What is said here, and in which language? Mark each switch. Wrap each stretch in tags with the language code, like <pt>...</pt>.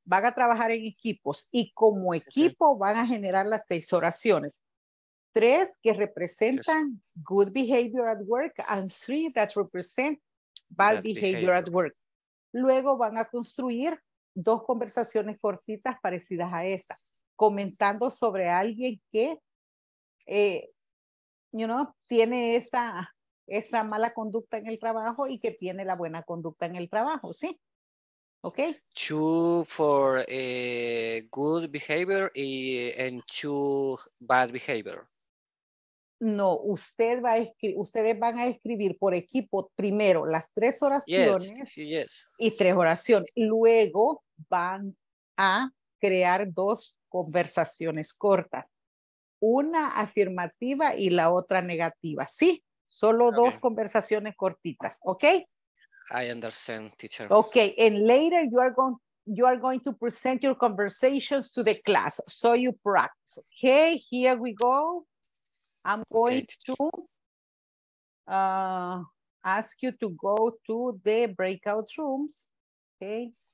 <es>Van a trabajar en equipos y como equipo van a generar las seis oraciones. Tres que representan</es> <en>good behavior at work and three that represent bad behavior at work.</en> <es>Luego van a construir dos conversaciones cortitas parecidas a esta, comentando sobre alguien que,</es> <en>you know,</en> <es>tiene esa mala conducta en el trabajo y que tiene la buena conducta en el trabajo, ¿sí? ¿Ok?</es> <en>Two for good behavior and two bad behavior.</en> <es>No, ustedes van a escribir por equipo primero las tres oraciones</es> <en>yes.</en> <es>y tres oraciones. Luego van a crear dos conversaciones cortas, una afirmativa y la otra negativa. Sí, solo dos conversaciones cortitas. ¿Ok?</es> <en>I understand, teacher. Ok, and later you are going to present your conversations to the class so you practice. Ok, here we go. I'm going to ask you to go to the breakout rooms, okay?</en>